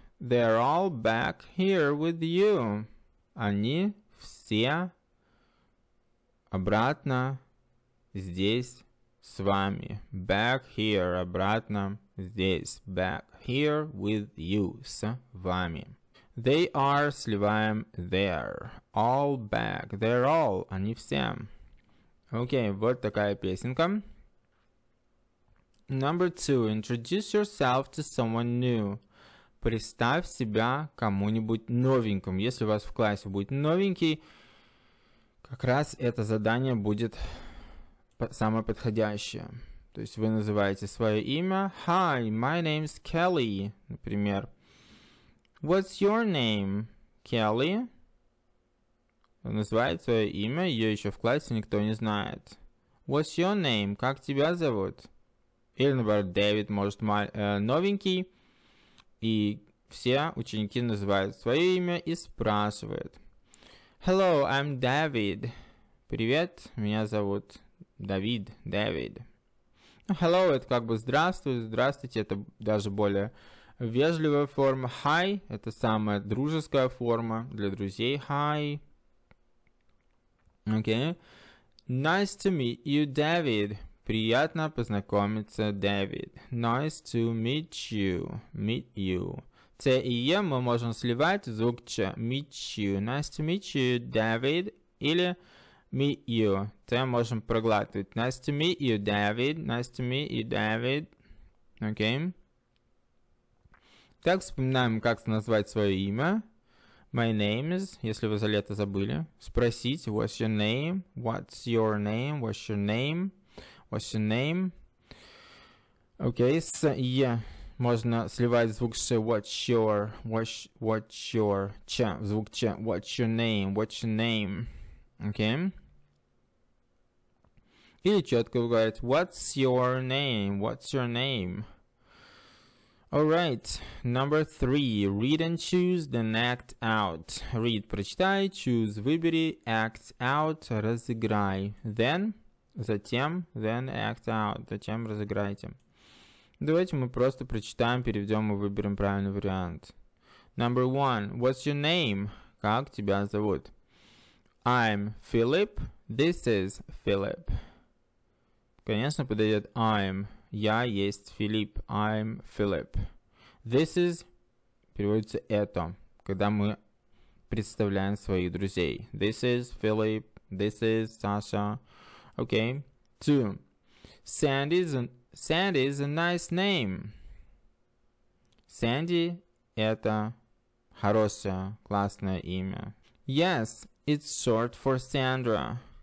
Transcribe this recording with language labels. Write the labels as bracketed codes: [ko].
[en] They're all back here with you. [ru] Они все обратно здесь с вами. [en] Back here. [ru] Обратно. Здесь, [en] back here with you, [ru] с вами. [en] They are, [ru] сливаем, [en] there. All back, they're all, [ru] они все. Окей, вот такая песенка. [en] Number two, introduce yourself to someone new. [ru] Представь себя кому-нибудь новенькому. Если у вас в классе будет новенький, как раз это задание будет самое подходящее. То есть вы называете свое имя. [en] Hi, my name's Kelly, [ru] например. [en] What's your name, Kelly? [ru] Он называет свое имя, ее еще в классе никто не знает. [en] What's your name? [ru] Как тебя зовут? Или, наоборот, Дэвид, может, новенький. И все ученики называют свое имя и спрашивают. [en] Hello, I'm David. [ru] Привет, меня зовут Давид, Дэвид. Hello, это как бы здравствуй, здравствуйте, это даже более вежливая форма. Hi, это самая дружеская форма для друзей. [en] Hi. Okay. Nice to meet you, David. [ru] Приятно познакомиться, David. [en] Nice to meet you. Meet you. [ru] C и E мы можем сливать звук Ч. [en] Meet you. Nice to meet you, David. Или meet you. [ru] C можем проглатывать. [en] Nice to meet you, David. Nice to meet you, David. Okay. [ru] Так, вспоминаем, как назвать свое имя. [en] My name is, [ru] если вы за лето забыли, спросить, [en] what's your name, what's your name, what's your name, what's your name. [ru] Окей, с «е» можно сливать звук «ш», [en] what's your, [ru] «ч», звук «ч», [en] what's your name, [ru] окей. [en] Okay? [ru] Или четко говорит, [en] what's your name. Alright, number three. Read and choose, then act out. Read, [ru] прочитай, [en] choose, [ru] выбери, [en] act out, [ru] разыграй. [en] Then, [ru] затем, [en] then act out, [ru] затем разыграйте. Давайте мы просто прочитаем, переведем и выберем правильный вариант. [en] Number one. What's your name? [ru] Как тебя зовут? [en] I'm Philip. This is Philip. [ru] Конечно, подойдет I'm. Я есть Филипп. [en] I'm Philip. This is, [ru] переводится это, когда мы представляем своих друзей. [en] This is Philip, this is Sasha. Okay. Two. Sandy is a nice name. [ru] Sandy это хорошее, классное имя. [en] Yes, it's short for Sandra.